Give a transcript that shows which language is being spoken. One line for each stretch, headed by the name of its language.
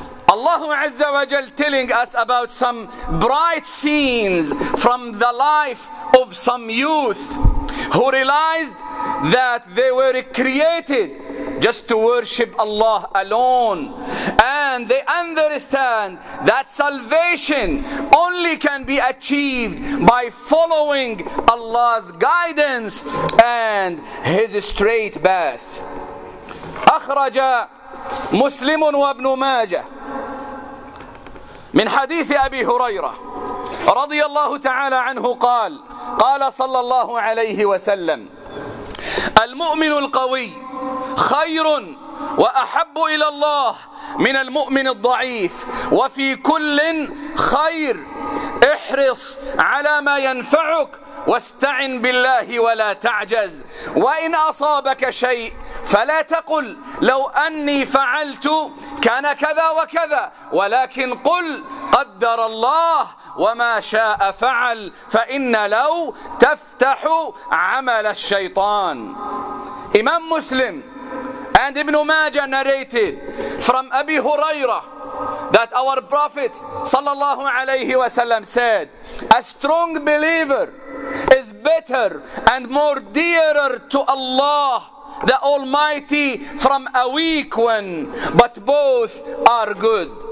English: Allah Azza wa Jal telling us about some bright scenes from the life of some youth who realized that they were created just to worship Allah alone. And they understand that salvation only can be achieved by following Allah's guidance and His straight path.
Arabic: أخرج مسلم وابن ماجة من حديث أبي هريرة رضي الله تعالى عنه قال قال صلى الله عليه وسلم المؤمن القوي خير وأحب إلى الله من المؤمن الضعيف وفي كل خير احرص على ما ينفعك واستعن بالله ولا تعجز وإن أصابك شيء فلا تقل لو أني فعلت كان كذا وكذا ولكن قل قدر الله وما شاء فعل فإن لو تفتح عمل الشيطان.
English: إمام مسلم and Ibn Majah narrated from Abi Huraira that our Prophet sallallahu alayhi wa sallam said, a strong believer is better and more dearer to Allah the Almighty from a weak one, but both are good.